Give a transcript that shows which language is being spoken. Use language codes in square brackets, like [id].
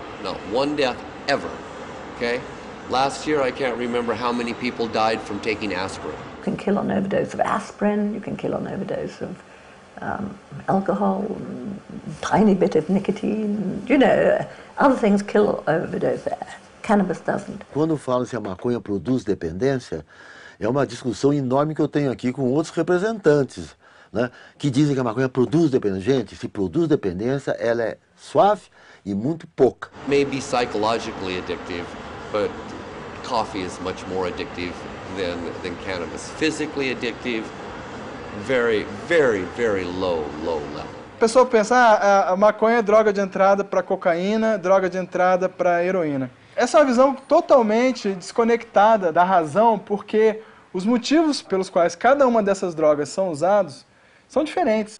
[en] Not one death ever. Okay? Last year, I can't remember how many people died from taking aspirin. You can kill on overdose of aspirin, you can kill on overdose of alcohol, tiny bit of nicotine, you know, other things kill overdose, cannabis doesn't. [pt] Quando falam se a maconha produz dependência, é uma discussão enorme que eu tenho aqui com outros representantes, né, que dizem que a maconha produz dependência. Gente, se produz dependência, ela é suave e muito pouca. [en] Maybe psychologically addictive, but coffee is much more addictive than cannabis. Physically addictive, very, very, very low level. [pt] A pessoa pensa, a maconha é droga de entrada para cocaína, droga de entrada para heroína. Essa é uma visão totalmente desconectada da razão, porque os motivos pelos quais cada uma dessas drogas são usados são diferentes.